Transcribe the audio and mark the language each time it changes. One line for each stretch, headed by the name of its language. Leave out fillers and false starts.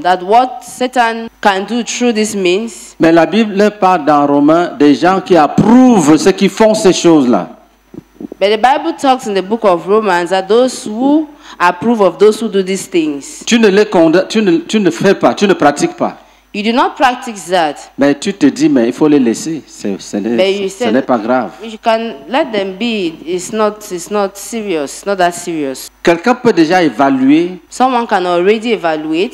English: That what Satan can do through this means.
French: Mais la Bible parle dans Romains des gens qui approuvent ceux qui font ces choses-là.
English: But the Bible talks in the book of Romans that those who approve of those who do these things.
French: Tu ne fais pas, tu ne pratiques pas.
English: You do not practice that.
French: Mais tu te dis, mais il faut les laisser. Ce n'est pas grave.
English: You can let them be. It's not serious. It's not that serious.
French: Quelqu'un peut déjà évaluer.
English: Someone can already evaluate.